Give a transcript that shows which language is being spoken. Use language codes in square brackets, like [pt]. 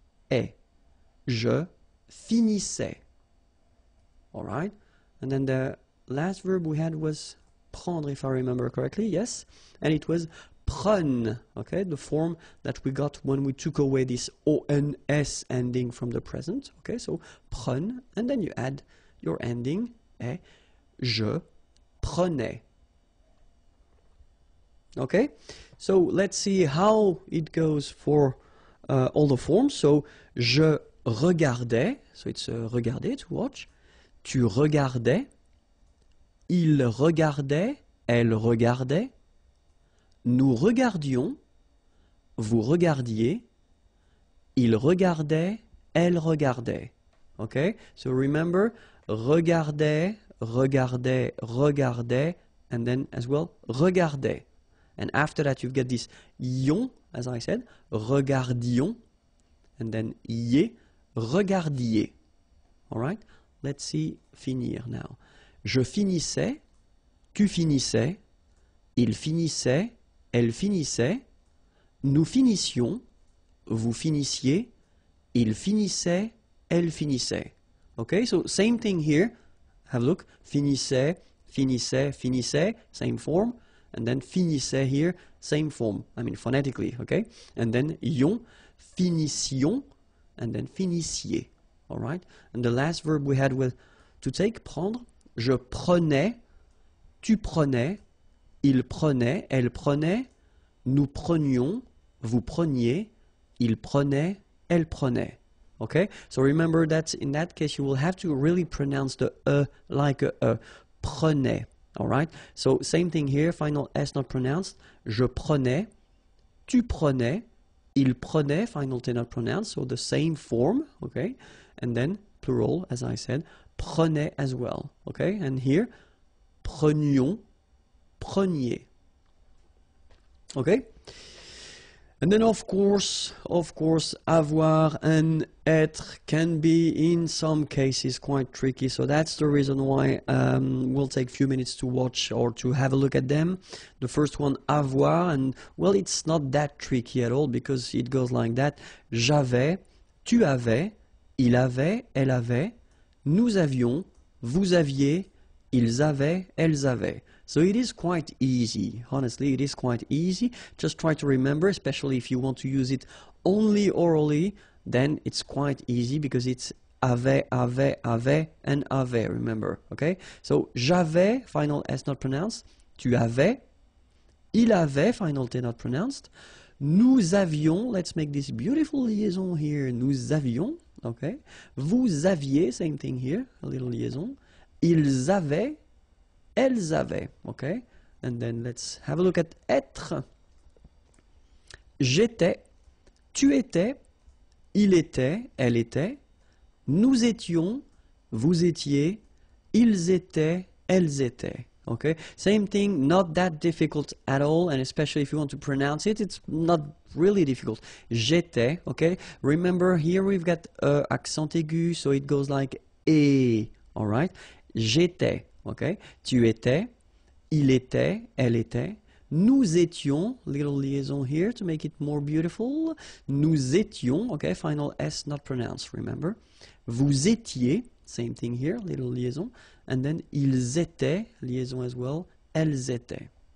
[en] e, [fr] je finissais, [en] all right, and then the last verb we had was prendre, if I remember correctly, yes, and it was prenne, okay, the form that we got when we took away this ons ending from the present, okay, so prenne, and then you add your ending, e, [fr] je prenais. [en] Okay, so let's see how it goes for all the forms. So, [fr] je regardais, [en] so it's regarder, to watch. [fr] Tu regardais, il regardait, elle regardait, nous regardions, vous regardiez, il regardait, elle regardait. [en] Okay, so remember, regardait, regardait, regardait, and then as well, regardait. And after that, you've got this yon, as I said, regardions, and then yé, regardiez. All right? Let's see finir now. [fr] Je finissais, tu finissais, il finissait, elle finissait, nous finissions, vous finissiez, il finissait, elle finissait. [en] Okay, so same thing here. Have a look. Finissait, finissait, finissait, same form. And then finissait here, same form, I mean phonetically, okay? And then yon, finissions, and then finissiez, all right? And the last verb we had was to take, prendre. [fr] Je prenais, tu prenais, il prenait, elle prenait, nous prenions, vous preniez, il prenait, elle prenait. [en] Okay? So remember that in that case you will have to really pronounce the E like a E, prenait. Alright, so same thing here, final S not pronounced. [fr] Je prenais, tu prenais, il prenait, [en] final T not pronounced, so the same form, okay? And then plural, as I said, prenait as well, okay? And here, prenions, preniez, Okay? And then, of course, avoir and être can be, in some cases, quite tricky. So that's the reason why we'll take a few minutes to watch or to have a look at them. The first one, avoir, and, well, it's not that tricky at all because it goes like that. [fr] J'avais, tu avais, il avait, elle avait, nous avions, vous aviez, ils avaient, elles avaient. [en] So it is quite easy. Honestly, it is quite easy. Just try to remember, especially if you want to use it only orally, then it's quite easy because it's avait, avait, avait, and avait, remember, okay? So j'avais, final S not pronounced, tu avais, il avait, final T not pronounced, [fr] nous avions, [en] let's make this beautiful liaison here, nous avions, okay? Vous aviez, same thing here, a little liaison, ils avaient, elles avaient, okay? And then let's have a look at être. [fr] J'étais, tu étais, il était, elle était, nous étions, vous étiez, ils étaient, elles étaient. [en] Okay, same thing, not that difficult at all, and especially if you want to pronounce it, it's not really difficult. [fr] J'étais, [en] okay? Remember, here we've got accent aigu, so it goes like E, all right? J'étais. Okay, [fr] tu étais, il était, elle était, nous étions, little liaison here to make it more beautiful, nous étions, okay, final S not pronounced, remember, vous étiez, same thing here, little liaison, and then ils étaient, liaison as well, elles étaient.